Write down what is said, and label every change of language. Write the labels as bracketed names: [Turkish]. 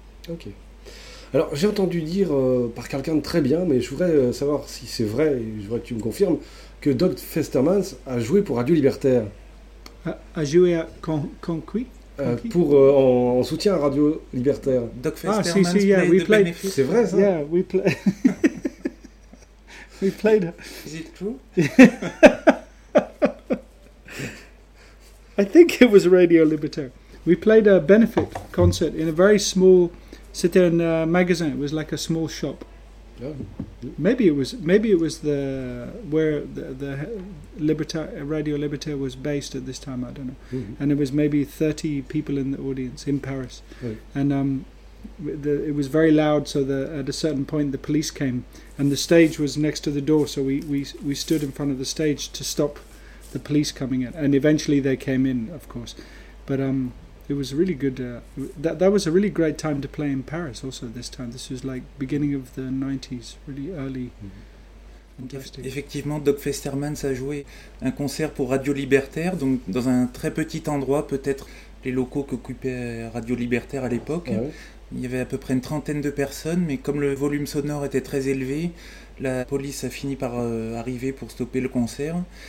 [French] Ok. Alors j'ai entendu dire par quelqu'un de très bien, mais je voudrais savoir si c'est vrai, et je voudrais que tu me confirmes, que Doug Festermans a joué pour Radio Libertaire. A joué à Conquis? Pour en soutien à Radio Libertaire. [English] Doug Festermans, ah, si, yeah, we played. Benefit. [French] C'est vrai, ça. [English] Yeah, we played. We played. Is it true? I think it was Radio Libertaire. We played a benefit concert in a very small. [French] C'était un magasin. [English] It was like a small shop. Yeah. Maybe it was. Maybe it was the where the Radio Libertaire was based at this time. I don't know. Mm-hmm. And it was maybe 30 people in the audience in Paris. Right. And it was very loud. So at a certain point, the police came, and the stage was next to the door. So we stood in front of the stage to stop the police coming in. And eventually, they came in, of course. But it was really good. That was a really great time to play in Paris also this time. This was like beginning of the 90s, really early. Mm-hmm. [French] Effectivement, Doug Festermans a joué un concert pour Radio Libertaire, donc dans un très petit endroit, peut-être les locaux qu'occupait Radio Libertaire à l'époque. Ah, oui. Il y avait à peu près une trentaine de personnes, mais comme le volume sonore était très élevé, la police a fini par arriver pour stopper le concert.